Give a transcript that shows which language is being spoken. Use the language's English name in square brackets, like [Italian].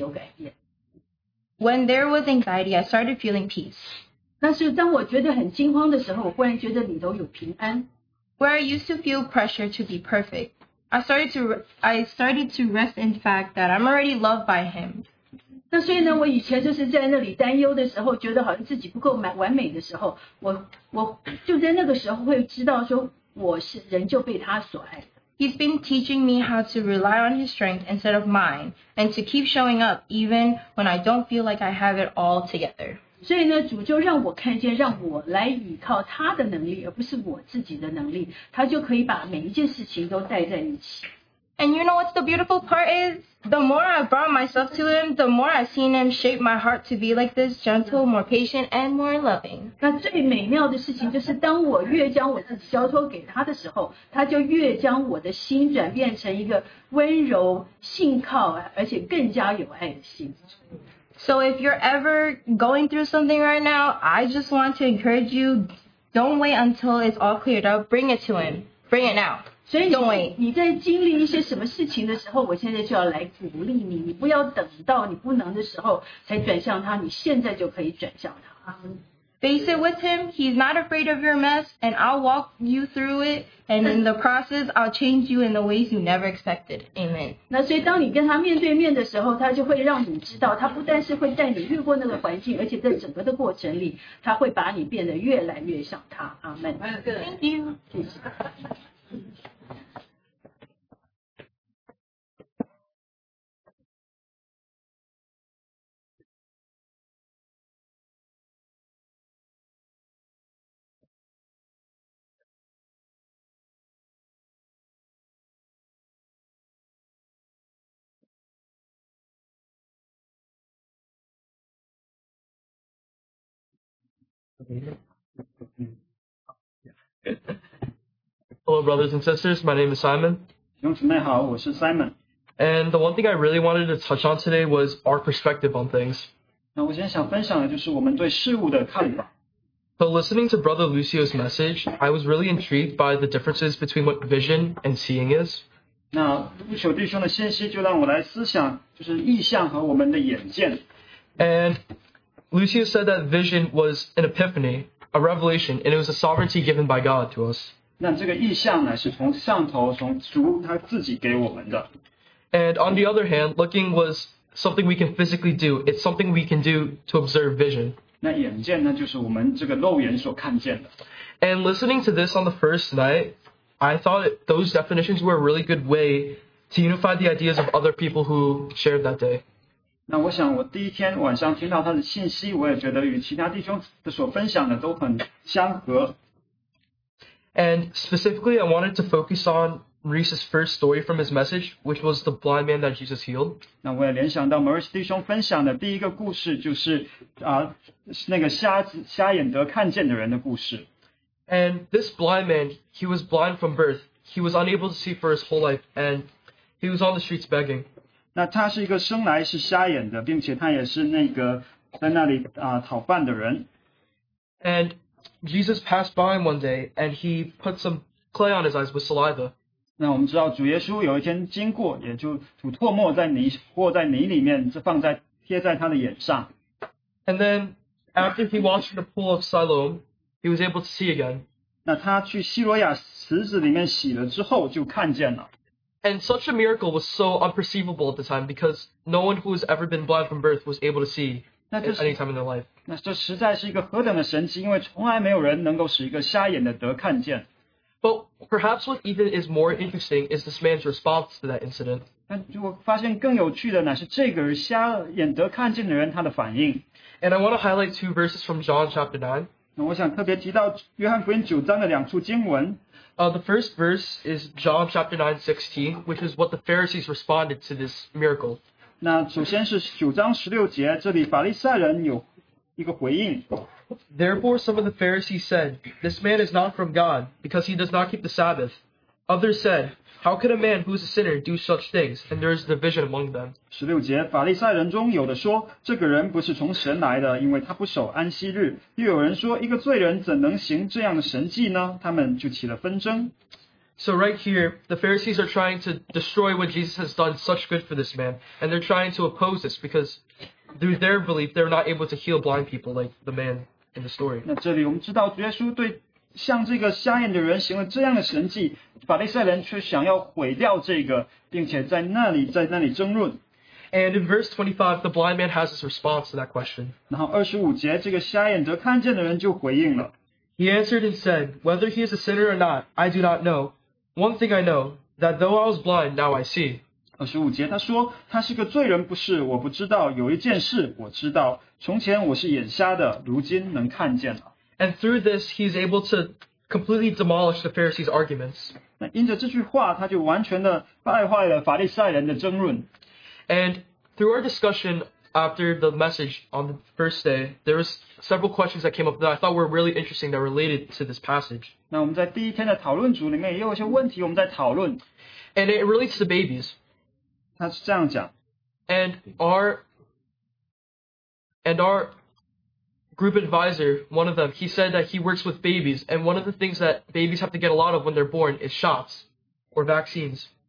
[Chinese] 那所以呢，就是我也知自己知道，这不会一夜之间就有改变。但是就是我注意到这么一点一点的事情就开始有改变。 [English] When there was anxiety, I started feeling peace. [Chinese] 那是当我觉得很惊慌的时候，我忽然觉得里头有平安。 [English] Where I used to feel pressure to be perfect. I started to rest in fact that I'm already loved by him. [Chinese] 那所以呢,我以前就是在那里担忧的时候,觉得好像自己不够完美的时候,我就在那个时候会知道说我是人就被他所爱。 [English] He's been teaching me how to rely on his strength instead of mine, and to keep showing up even when I don't feel like I have it all together. [Chinese] 所以呢,主就让我看见,让我来依靠他的能力,而不是我自己的能力,他就可以把每一件事情都带在一起。 [English] And you know what the beautiful part is? The more I brought myself to him, the more I've seen him shape my heart to be like this, gentle, more patient, and more loving. [Chinese] 那最美妙的事情就是当我越将我自己交托给他的时候，他就越将我的心转变成一个温柔、信靠，而且更加有爱的心。 [English] So if you're ever going through something right now, I just want to encourage you, don't wait until it's all cleared up. Bring it to him. Bring it now. Don't wait. [Chinese] 所以你在经历一些什么事情的时候，我现在就要来鼓励你，你不要等到你不能的时候才转向他，你现在就可以转向他。 [English] Face it with him. He's not afraid of your mess, and I'll walk you through it. And in the process, I'll change you in the ways you never expected. Amen. [Chinese] 那所以当你跟他面对面的时候，他就会让你知道，他不但是会带你越过那个环境，而且在整个的过程里，他会把你变得越来越像他。 [English] Amen. Thank you. [Chinese] 谢 [English] Hello, brothers and sisters. My name is Simon. [Chinese] 兄姊妹好，我是 Simon. [English] And the one thing I really wanted to touch on today was our perspective on things. [Chinese] 那我今天想分享的就是我们对事物的看法。 [English] So listening to Brother Lucio's message, I was really intrigued by the differences between what vision and seeing is. [Chinese] 那卢修弟兄的信息就让我来思想，就是意象和我们的眼见。 [English] And Lucio said that vision was an epiphany, a revelation, and it was a sovereignty given by God to us. [Chinese] 那这个意象呢，是从上头，从主他自己给我们的。 [English] And on the other hand, looking was something we can physically do. It's something we can do to observe vision. [Chinese] 那眼见呢，就是我们这个肉眼所看见的。 [English] And listening to this on the first night, I thought those definitions were a really good way to unify the ideas of other people who shared that day. [Chinese] 那我想我第一天晚上听到他的信息，我也觉得与其他弟兄所分享的都很相合。 [English] And specifically, I wanted to focus on Maurice's first story from his message, which was the blind man that Jesus healed. [Chinese] 那我也联想到 Maurice 弟兄分享的第一个故事就是那个瞎眼得看见的人的故事。 [English] And this blind man, he was blind from birth. He was unable to see for his whole life, and he was on the streets begging. [Chinese] 那他是一个生来是瞎眼的，并且他也是那个在那里讨饭的人。 [English] And Jesus passed by him one day, and he put some clay on his eyes with saliva. [Chinese] 那我们知道主耶稣有一天经过，也就吐唾沫在泥或在泥里面，就放在贴在他的眼上。 [English] And then after he washed the pool of Siloam, he was able to see again. [Chinese] 那他去希罗亚池子里面洗了之后，就看见了。 [English] And such a miracle was so unperceivable at the time because no one who has ever been blind from birth was able to see at any time in their life. [Chinese] 那这实在是一个何等的神奇，因为从来没有人能够使一个瞎眼的得看见。 [English] But perhaps what even is more interesting is this man's response to that incident. [Chinese] 但我发现更有趣的乃是这个瞎眼得看见的人他的反应。 [English] And I want to highlight two verses from John chapter 9. [Chinese] 那我想特别提到约翰福音九章的两处经文。 [English] The first verse is John chapter 9:16, which is what the Pharisees responded to this miracle. [Chinese] 那首先是九章十六节，这里法利赛人有一个回应。 [English] Therefore, some of the Pharisees said, "This man is not from God, because he does not keep the Sabbath." Others said, "How could a man who is a sinner do such things?" And there is division among them. [Chinese] 十六节，法利赛人中有的说，这个人不是从神来的，因为他不守安息日。又有人说，一个罪人怎能行这样的神迹呢？他们就起了纷争。 [English] So right here, the Pharisees are trying to destroy what Jesus has done such good for this man, and they're trying to oppose this because through their belief, they're not able to heal blind people like the man in the story. [Chinese] 那这里我们知道，耶稣对像这个瞎眼的人行了这样的神迹，法利赛人却想要毁掉这个，并且在那里争论。 [English] And in verse 25, the blind man has his response to that question. [Chinese] 然后二十五节，这个瞎眼得看见的人就回应了。 [English] He answered and said, "Whether he is a sinner or not, I do not know. One thing I know, that though I was blind, now I see." [Chinese] 二十五节，他说他是个罪人，不是我不知道。有一件事我知道，从前我是眼瞎的，如今能看见了。 [English] And through this, he is able to completely demolished the Pharisees' arguments. [Chinese] 因着这句话, 他就完全地败坏了法利赛人的争论。 [English] And through our discussion after the message on the first day, there was several questions that came up that I thought were really interesting that related to this passage. [Chinese] 那我们在第一天的讨论组里面也有一些问题我们在讨论。 [English] And it relates to babies. [Chinese] 他是这样讲。 [English] And our group advisor, one of them, he said that he works with babies, and one of the things that babies have to get a lot of when they're born is shots or vaccines.